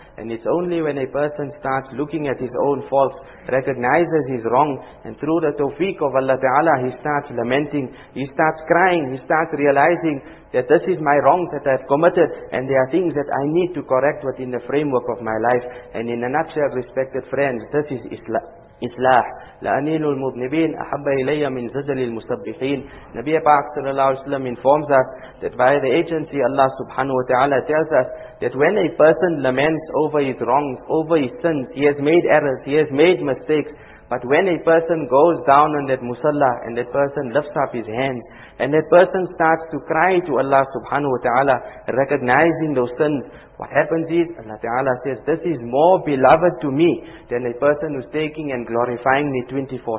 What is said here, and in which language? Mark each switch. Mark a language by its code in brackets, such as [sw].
[en] And it's only when a person starts looking at his own faults, recognizes his wrong, and through the tawfiq of Allah Ta'ala, he starts lamenting, he starts crying, he starts realizing that this is my wrong that I've committed, and there are things that I need to correct within the framework of my life. And in a nutshell, respected friends, this is Islam. [ar] إصلاح لأنين المذنبين أحب إلي من زجل المسبحين. [ur] نبي back صلى الله عليه وسلم [en] informs us that by the agency Allah subhanahu wa ta'ala tells us that when a person laments over his wrongs, over his sins, he has made errors, he has made mistakes, but when a person goes down on that musalla and that person lifts up his hands and that person starts to cry to Allah subhanahu wa ta'ala recognizing those sins, what happens is, Allah Ta'ala says, this is more beloved to me than a person who's taking and glorifying me 24/7.